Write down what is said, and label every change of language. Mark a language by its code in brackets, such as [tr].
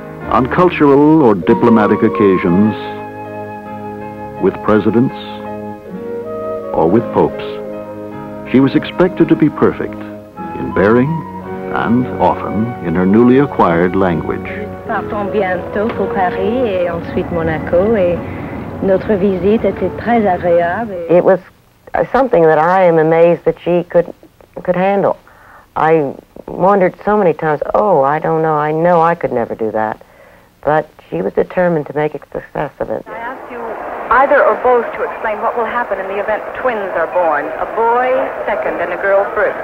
[en] On cultural or diplomatic occasions, with presidents or with popes, she was expected to be perfect in bearing and often in her newly acquired language. [fr] Partons bientôt pour Paris et ensuite Monaco, et notre visite était très agréable. [en] It was something that I am amazed that she could handle. I wondered so many times, oh, I don't know, I know I could never do that. But she was determined to make a success of it. I ask you, either or both, to explain what will happen in the event twins are born, a boy second and a girl first.